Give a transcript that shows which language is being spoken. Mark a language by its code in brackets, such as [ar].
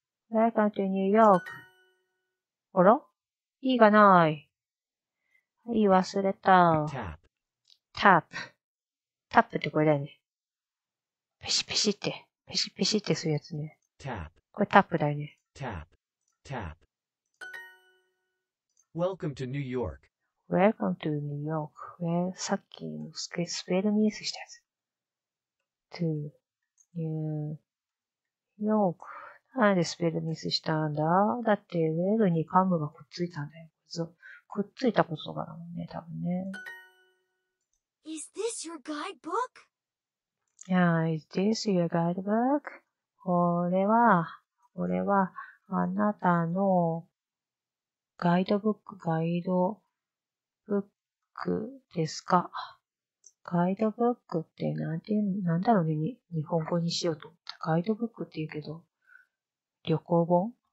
[en] Welcome to New York. [ja] あら?いいがない。言い忘れた。 [en] tap。 tap。 [ja] tap ってこれだよね。ペシペシって。ペシペシってするやつね。 [en] tap。 [ja] これタップだよね。 [en] tap。 tap。 Welcome to New York. Welcome to New York. [ja] さっきのスペルミスしたやつ。 [en] to New York. [ja] なんでスペルミスしたんだ？だって、ウェルにカムがくっついたんだよ。くっついたことがあるもんね、多分ね。 [en] Is this your guidebook? Yeah, is this your guidebook? [ja] これは、これは、あなたの、ガイドブック、ガイドブックですか。ガイドブックってなんて、なんだろうね、日本語にしようと思った。ガイドブックって言うけど、旅行本？